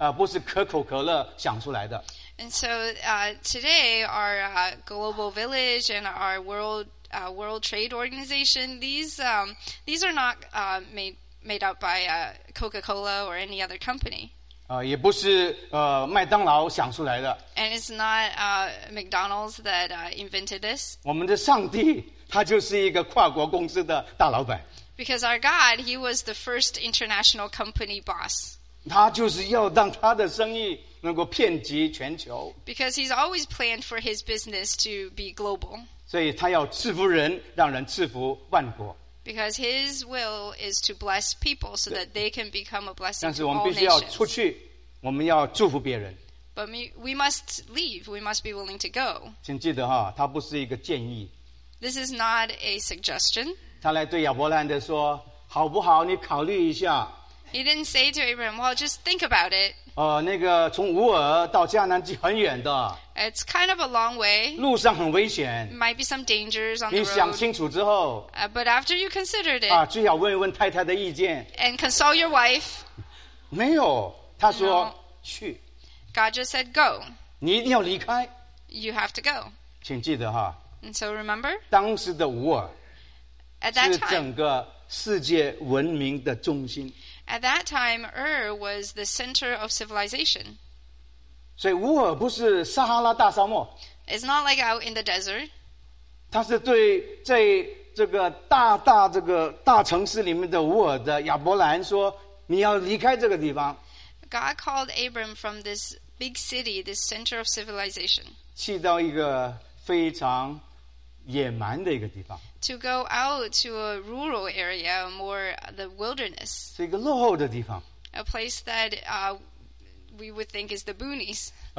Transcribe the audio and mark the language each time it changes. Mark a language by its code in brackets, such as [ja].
[zh] 或者是世界贸易的机构的这个概念，不是可口可乐想出来的。 [en] And so today, our Global Village and our World Trade Organization, these are not made up by Coca-Cola or any other company. [zh] 也不是麦当劳想出来的。 [en] And it's not McDonald's that invented this. [zh] 我们的上帝，他就是一个跨国公司的大老板。 [en] Because our God, He was the first international company boss. [zh] 他就是要让他的生意能够遍及全球。 [en] Because He's always planned for His business to be global. [zh] 所以他要赐福人，让人赐福万国。 [en] Because His will is to bless people so that they can become a blessing to all nations. [zh] 但是我们必须要出去。我们要祝福别人 [en] But we must leave. We must be willing to go. [zh] 请记得哈, 它不是一个建议。 [en] This is not a suggestion. [zh] 他来对亚伯兰德说, 好不好, 你考虑一下。 [en] He didn't say to Abraham, well, just think about it. [zh] 那个从乌尔到迦南地很远的。 [en] It's kind of a long way. [zh] 路上很危险。 [en] Might be some dangers on the road. [zh] 你想清楚之后, [en] but after you considered it, [zh] 最好问一问太太的意见。 [en] And consult your wife. [zh] 没有。他说, [en] no. God just said, go. [zh] 你一定要离开, [en] you have to go. [zh] 请记得哈, [en] and so remember, [zh] 当时的乌尔, [en] at that time, [zh] 是整个世界文明的中心。 [en] At that time, Ur was the center of civilization. [zh] 所以乌尔不是撒哈拉大沙漠, [en] it's not like out in the desert. [zh] 他是对这个大城市里面的乌尔的亚伯兰说, 你要离开这个地方。 [en] God called Abram from this big city, this center of civilization, to go out to a rural area, more the wilderness, a place that we would think is the boonies.